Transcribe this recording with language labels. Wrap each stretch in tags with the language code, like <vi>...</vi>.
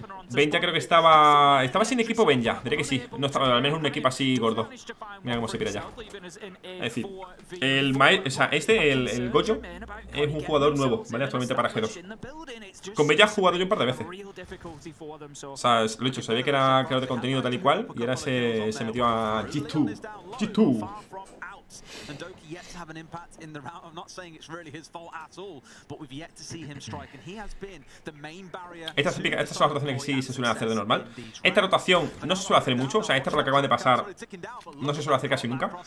<es>Ben ya creo que estaba... ¿Estaba sin equipo Ben ya? Diré que sí. No estaba, al menos un equipo así gordo. Mira cómo se pira ya. Es decir, el maestro, o sea, el Gojo es un jugador nuevo, ¿vale? Actualmente para G2. Con Ben ya he jugado yo un par de veces. O sea, lo he dicho, sabía que era creador de contenido tal y cual. Y ahora se metió a G2.</es> <en>And Doki yet to have an impact in the round. I'm not saying it's really his fault at all, but we've yet to see him strike, and he has been the main barrier.</en> <es>Estas son las rotaciones que sí se suelen hacer de normal. Esta rotación no se suele hacer mucho, o sea, esta por la que acaban de pasar no se suele hacer casi nunca.</es>